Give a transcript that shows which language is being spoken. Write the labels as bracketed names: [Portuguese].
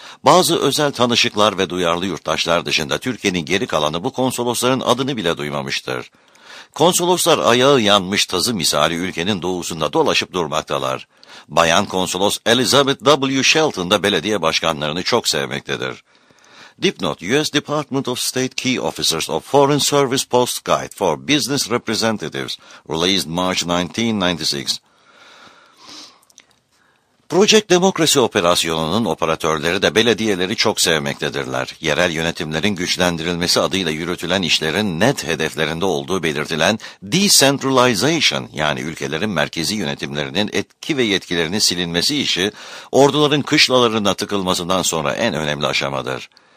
[Turkish] Bazı özel tanışıklar ve duyarlı yurttaşlar dışında Türkiye'nin geri kalanı bu konsolosların adını bile duymamıştır. Konsoloslar ayağı yanmış tazı misali ülkenin doğusunda dolaşıp durmaktalar. Bayan konsolos Elizabeth W. Shelton da belediye başkanlarını çok sevmektedir. Dipnot, U.S. [English] Department of State Key Officers of Foreign Service Post Guide for Business Representatives, released March 1996. [Turkish] Project Democracy operasyonunun operatörleri de belediyeleri çok sevmektedirler. Yerel yönetimlerin güçlendirilmesi adıyla yürütülen işlerin net hedeflerinde olduğu belirtilen decentralization, yani ülkelerin merkezi yönetimlerinin etki ve yetkilerinin silinmesi işi, orduların kışlalarına tıkılmasından sonra en önemli aşamadır.